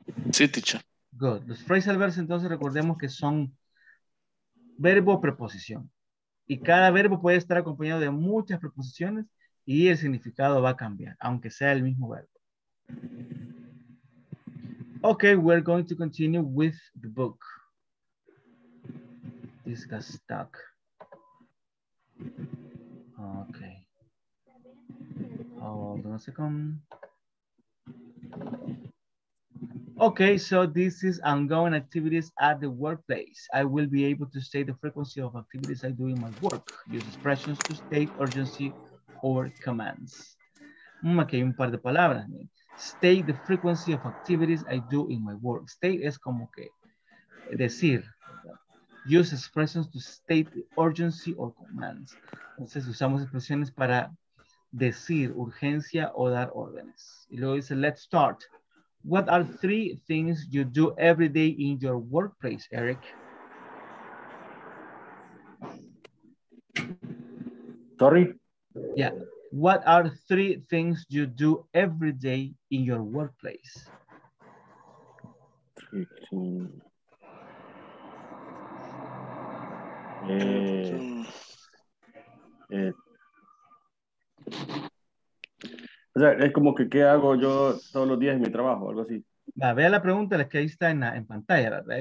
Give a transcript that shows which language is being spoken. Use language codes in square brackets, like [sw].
[es] Sí, teacher. [en] Good. [es] Los phrasal verbs, entonces, recordemos que son verbo preposición. Y cada verbo puede estar acompañado de muchas preposiciones y el significado va a cambiar, aunque sea el mismo verbo. [en] Ok, we're going to continue with the book. This got stuck. Ok. Hold on a second. Okay, so this is ongoing activities at the workplace. I will be able to state the frequency of activities I do in my work. Use expressions to state urgency or commands. Okay, [es] un par de palabras. [en] State the frequency of activities I do in my work. State [es] es como que decir. [en] Use expressions to state urgency or commands. [es] Entonces usamos expresiones para decir urgencia o dar órdenes. Y luego dice, [en] let's start. What are three things you do every day in your workplace, Eric? Sorry? Yeah. What are three things you do every day in your workplace? [es] O sea, es como que, ¿qué hago yo todos los días en mi trabajo? Algo así. Va, vea la pregunta la que ahí está en pantalla, ¿verdad?